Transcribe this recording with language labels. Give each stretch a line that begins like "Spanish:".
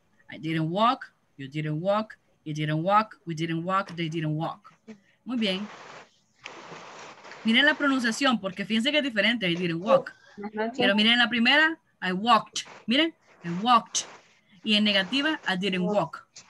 English: I didn't walk, you didn't walk, you didn't walk, we didn't walk, they didn't walk.
Spanish: Muy bien. Miren la pronunciación, porque fíjense que es diferente.
English: I didn't walk.
Spanish: Pero miren la primera.
English: I walked.
Spanish: Miren.
English: I walked.
Spanish: Y en negativa,
English: I didn't walk.